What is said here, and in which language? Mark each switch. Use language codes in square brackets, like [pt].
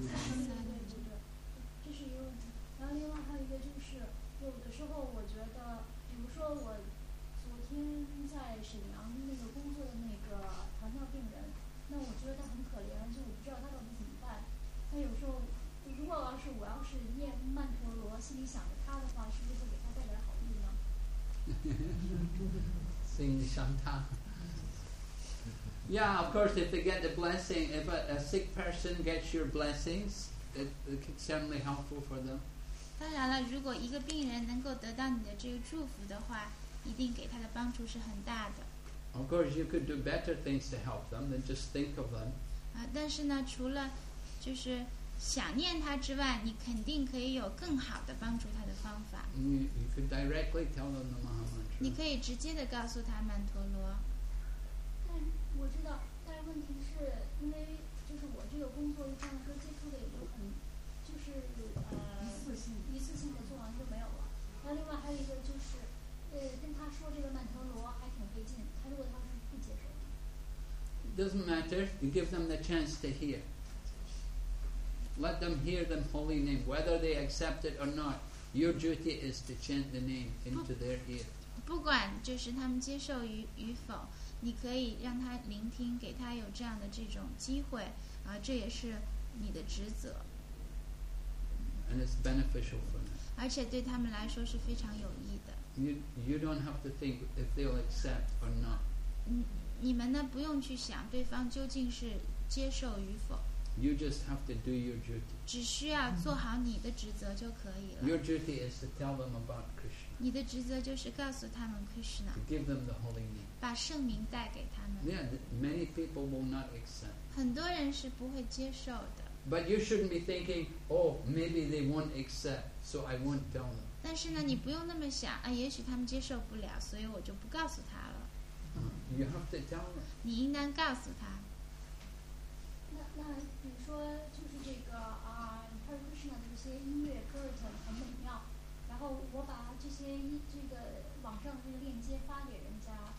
[zh] 对对对对，这是一个问题。然后另外还有一个就是，有的时候我觉得，比如说我昨天在沈阳那个工作的那个糖尿病人，那我觉得他很可怜，就我不知道他到底怎么办。那有时候，如果要是我要是心里想着他的话，是不是会给他带来好运呢？心想他。 [en] Yeah, of course, if they get the blessing, if a sick person gets your blessings, it can certainly be helpful for them. [zh] 当然了，如果一个病人能够得到你的这个祝福的话，一定给他的帮助是很大的。 [en] Of course, you could do better things to help them than just think of them. [zh] 啊，但是呢，除了就是想念他之外，你肯定可以有更好的帮助他的方法。 [en] You could directly tell them the Maha Mantra. [zh] 你可以直接的告诉他曼陀罗。我知道，但是问题是因为就是我这个工作，就像说接触的也就很，就是一次性的做完就没有了。那另外还有一个就是，跟他说这个曼陀罗还挺费劲，他如果他是不接受的。 [en] Doesn't matter. You give them the chance to hear. Let them hear the holy name, whether they accept it or not. Your duty is to chant the name into their ear. [zh] 不管就是他们接受与否。你可以让他聆听，给他有这样的这种机会，啊，这也是你的职责。 [en] And it's beneficial for them. [zh] 而且对他们来说是非常有益的。 [en] You don't have to think if they'll accept or not. [zh] 你们呢不用去想对方究竟是接受与否。 [en] You just have to do your duty. [zh] 只需要做好你的职责就可以了。 [en] Your duty is to tell them about Krishna. [zh] 你的职责就是告诉他们 Krishna. [en] To give them the holy name. [zh] 把圣名带给他们。 [en] Yeah, many people will not accept. [zh] 很多人是不会接受的。 [en] But you shouldn't be thinking, oh, maybe they won't accept, so I won't tell them. [zh] 但是呢，你不用那么想啊，也许他们接受不了，所以我就不告诉他了。 [en] You have to tell them. [zh] 你应当告诉他。那比如说，就是这个啊，他说是呢，这些音乐歌很美妙，然后我把这些这个网上的这个链接发给人家。